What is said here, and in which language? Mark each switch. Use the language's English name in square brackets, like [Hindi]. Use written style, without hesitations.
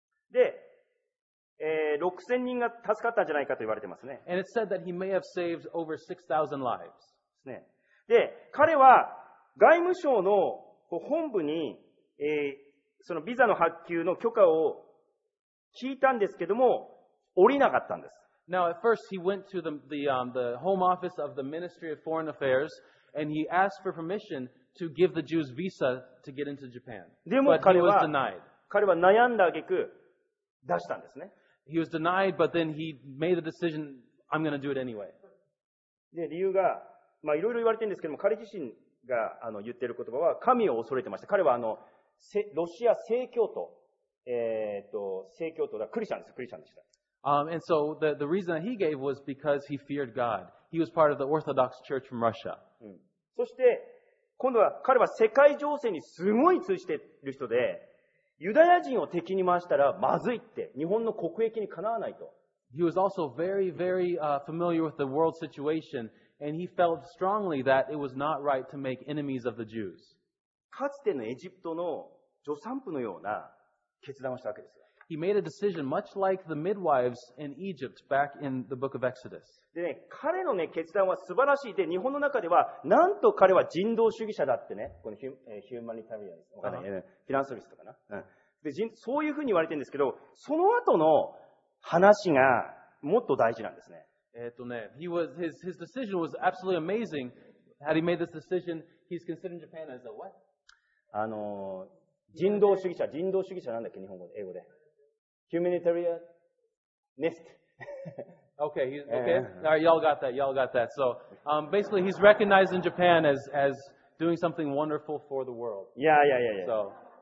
[Japanese] で、6000人が助かったんじゃないかと言われてますね。 [English] And it said that he may have saved over 6,000 lives. [Japanese] ですね。で、彼は外務省の本部に、そのビザの発給の許可を聞いたんですけども、降りなかったんです。 [English] Now, at first he went to the home office of the Ministry of Foreign Affairs and he asked for permission to give the Jews visa to get into Japan. [Japanese] でも彼は、彼は悩んだ挙句、出したんですね。 [English] He was denied, but then he made the decision, I'm going to do it anyway. [Japanese] で、理由が、まあ、いろいろ言われてるんですけども、彼自身が言ってる言葉は、神を恐れてました。彼はロシア正教徒聖教徒がクリスチャンです。クリスチャンでした。 [English] And so the reason that he gave was because he feared God. He was part of the Orthodox Church from Russia. [Japanese] そして今度は彼は世界情勢にすごい通じている人で、ユダヤ人を敵に回したらまずいって、日本の国益にかなわないと。 [English] He was also very, very familiar with the world situation, and he felt strongly that it was not right to make enemies of the Jews. [Japanese] かつてのエジプトの助産婦のような決断をしたわけですよ。 [English] He made a decision much like the midwives in Egypt back in the book of Exodus. [Japanese] でね、彼のね、決断は素晴らしい。で、日本の中では、なんと彼は人道主義者だってね、このヒューマニタリアン、わかんない、フィランソリストかな。うん。で、そういうふうに言われてるんですけど、その後の話がもっと大事なんですね。 [English] He was, his decision was absolutely amazing. Had he made this decision, he's considering Japan as a what? [Japanese] 人道主義者、人道主義者なんだっけ、日本語で、英語で。 [English] Humanitarianist. Okay, he's, okay. All right, y'all got that. So, basically, he's recognized in Japan as doing something wonderful for the world. Yeah. So.